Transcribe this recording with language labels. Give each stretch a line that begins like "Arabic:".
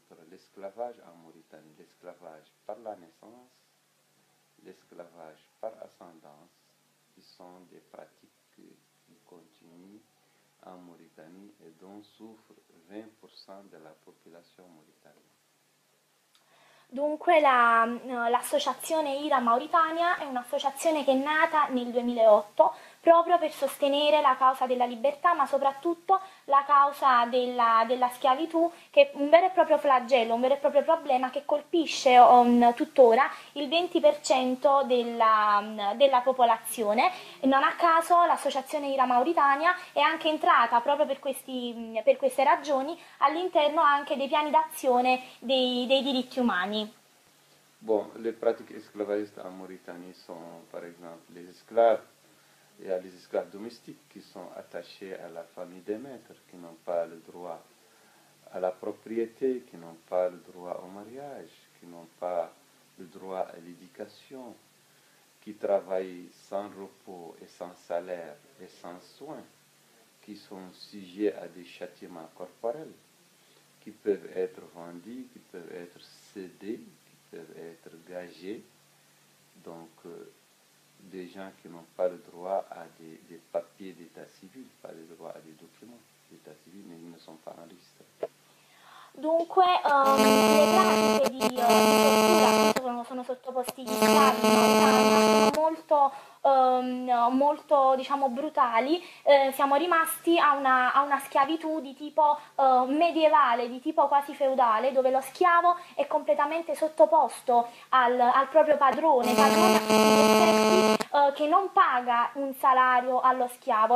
French: L'esclavage en Mauritanie, l'esclavage par la naissance, l'esclavage par ascendance, qui sont des pratiques qui continuent en Mauritanie et dont souffre 20% de la population mauritanienne.
Italian: Dunque, l'associazione Ira Mauritania è un'associazione che è nata nel 2008 proprio per sostenere la causa della libertà, ma soprattutto la causa della schiavitù, che è un vero e proprio flagello, un vero e proprio problema che colpisce tuttora il 20% della popolazione. Non a caso l'associazione Ira Mauritania è anche entrata, proprio per queste ragioni, all'interno anche dei piani d'azione dei diritti umani. Bon, le pratiche esclavagiste in Mauritania sono, per esempio, gli esclavi.
French: Il y a les esclaves domestiques qui sont attachés à la famille des maîtres, qui n'ont pas le droit à la propriété, qui n'ont pas le droit au mariage, qui n'ont pas le droit à l'éducation, qui travaillent sans repos et sans salaire et sans soins, qui sont sujets à des châtiments corporels, qui peuvent être vendus, qui peuvent être cédés, qui peuvent être gagés. Donc, des gens qui n'ont pas le droit à des papiers d'état civil, pas le droit à des documents d'état civil, mais ils ne sont pas enregistrés.
Italian: Dunque, le pratiche di tortura che sono sottoposti gli schiavi in Mauritania sono molto, molto, diciamo, brutali. Siamo rimasti a una schiavitù di tipo medievale, di tipo quasi feudale, dove lo schiavo è completamente sottoposto al proprio padrone, che non paga un salario allo schiavo.